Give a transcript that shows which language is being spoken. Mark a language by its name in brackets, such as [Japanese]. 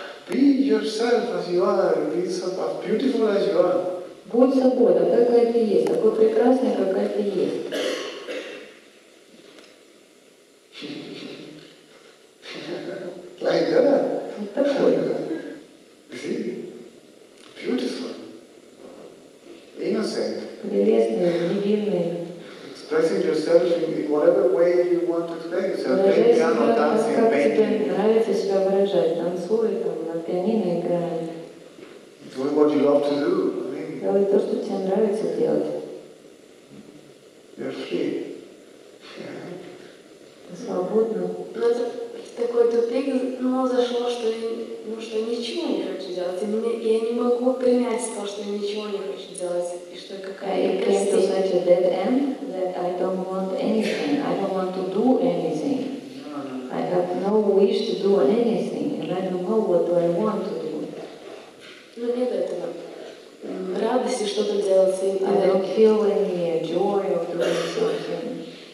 [English] Be yourself as you are, be so as beautiful as you are. [Russian] Будь собой, да, какая ты есть, такой прекрасный, какая ты есть. [English] Like that. [Russian] Вот такой. [English] See? Beautiful. Innocent. [Russian] Прелестный, невинный. [English] Expressing yourself in whatever way you want to express yourself. [Russian] Выражай себя, как тебе нравится себя выражать. Танцуй, там, на пианино играй. [English] Do what you love to do. [Russian] Делай то, что тебе нравится делать. [English] You're free. Yeah. [Russian] Свободно. Но это такой тупик, но зашло, что я, ну, что я ничего не хочу делать. И мне, я не могу принять то, что я ничего не хочу делать. И что какая-то простить. [English] I came to such a dead end that I don't want anything. I don't want to do anything. I have no wish to do anything. And I don't know what do I want to do. [Russian] Но нет этого. Радости что-то делать. [English] I don't feel any joy of doing something.